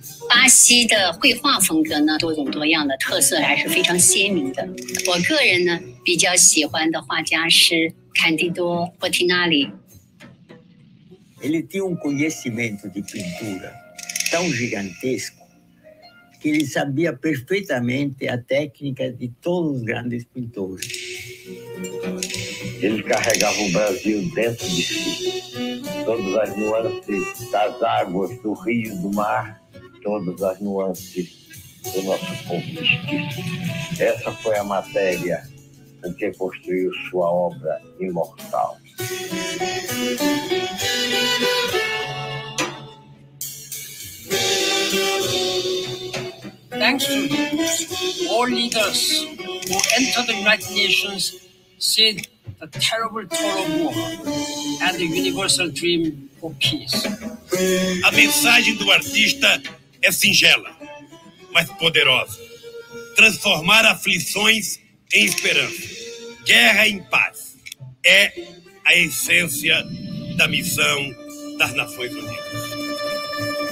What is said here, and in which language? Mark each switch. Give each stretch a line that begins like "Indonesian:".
Chinese: 巴西的绘画风格呢，多种多样的，特色还是非常鲜明的。我个人呢，比较喜欢的画家是坎蒂多·波提纳里。
Portuguese: Ele tinha conhecimento de pintura tão gigantesco que ele sabia perfeitamente a técnica de todos os grandes pintores. Ele carregava o Brasil dentro de si. Todas as nuances das águas, do rio, do mar, todas as nuances do nosso povo mestiço. Essa foi a matéria com que construiu sua obra imortal.
English: Thanks to you, all leaders who entered the United Nations said the terrible toll of war and the universal dream for peace.
Portuguese: A mensagem do artista é singela, mas poderosa. Transformar aflições em esperança. Guerra em paz é a essência da missão das Nações Unidas.